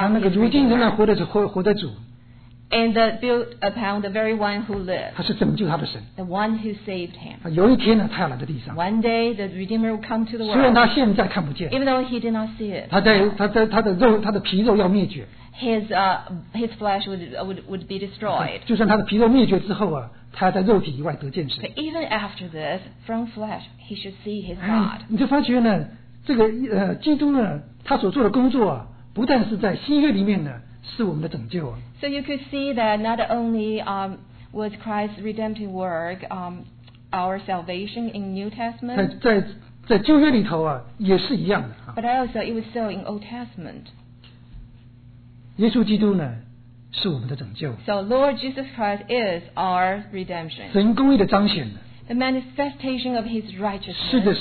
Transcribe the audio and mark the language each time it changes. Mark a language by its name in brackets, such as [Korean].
[Chinese] 他那个如今仍然活的主, [English] and that built upon the very one who lived, [Chinese] 他是拯救他的神, [English] the one who saved him. [Chinese] 有一天呢,他要来到地上, [English] one day the Redeemer will come to the world. [Chinese] 虽然他现在看不见, [English] even though he did not see it, [Chinese] 他的皮肉要灭绝, [English] his flesh would be destroyed. [Chinese] 就算他的皮肉灭绝之后啊, 他在肉体以外得见神, [English] but even after this, from flesh he should see his God. [Chinese] 你就发觉呢,这个基督呢,他所做的工作啊, 不但是在新约里面呢, [English] so you could see that not only was Christ's redemptive work our salvation in New Testament, [Chinese] 在旧约里头啊,也是一样的, [English] but also it was so in Old Testament. [Chinese] 耶稣基督呢, [English] so Lord Jesus Christ is our redemption. [Chinese] 神公义的彰显, [English] the manifestation of his righteousness.